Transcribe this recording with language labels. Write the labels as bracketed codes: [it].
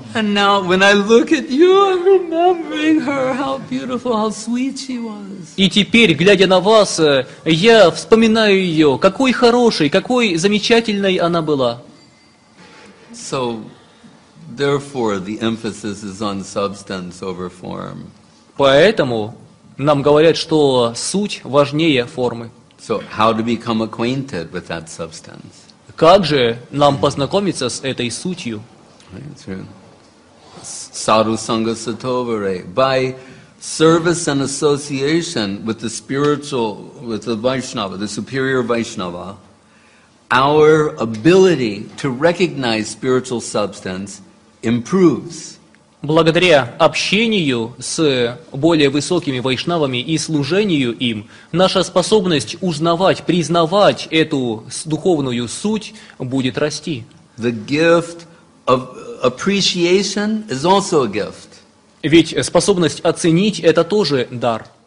[en] And now, when I look at you, I'm remembering her, how beautiful, how sweet she was. [ru] И теперь, глядя на вас, я вспоминаю ее, какой хорошей, какой замечательной она была. [en] So, therefore, the emphasis is on substance over form. [ru] Поэтому нам говорят, что суть важнее формы. [en] So, how to become acquainted with that substance? [ru] Как же нам познакомиться с этой сутью? [sa] Sadhu Sangha Satovare, [en] by service and association with the spiritual, with the Vaishnava, the superior Vaishnava, our ability to recognize spiritual substance improves. [ru] Благодаря общению с более высокими вайшнавами и служению им, наша способность узнавать, признавать эту духовную суть будет расти. [en] The gift of appreciation is also a gift. [ru] Ведь способность оценить — это тоже дар.